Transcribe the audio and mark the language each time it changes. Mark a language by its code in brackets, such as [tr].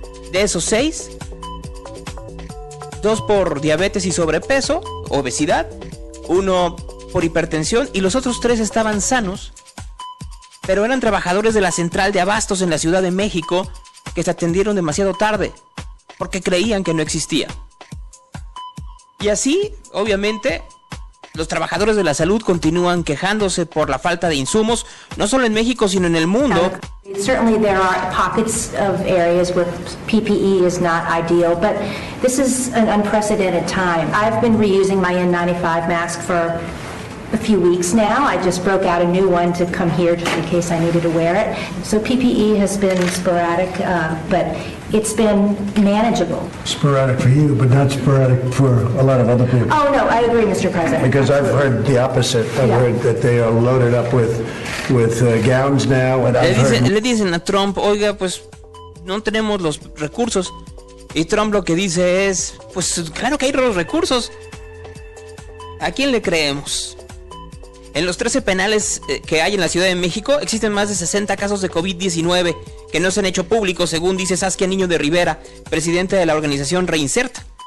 [es] De esos 6, 2 por diabetes y sobrepeso, obesidad, 1 por hipertensión, y los otros 3 estaban sanos, pero eran trabajadores de la central de abastos en la Ciudad de México que se atendieron demasiado tarde porque creían que no existía. Y así, obviamente, los trabajadores de la salud continúan quejándose por la falta de insumos, no solo en México, sino en el mundo. [en] Certainly there are pockets of areas where PPE is not ideal, but this is an unprecedented time. I've been reusing my N95 mask for a few weeks now. I just broke out a new one to come here just in case I needed to wear it. So PPE has been sporadic, but it's been manageable. Sporadic for you, but not sporadic for a lot of other people. Oh, no, I agree, Mr. President. Because I've heard the opposite. I've heard that they are loaded up with gowns now. [es] Le dicen a Trump, oiga, pues no tenemos los recursos. Y Trump lo que dice es, pues claro que hay los recursos. ¿A quién le creemos? En los 13 penales que hay en la Ciudad de México, existen más de 60 casos de COVID-19 que no se han hecho públicos, según dice Saskia Niño de Rivera, presidente de la organización Reinsert.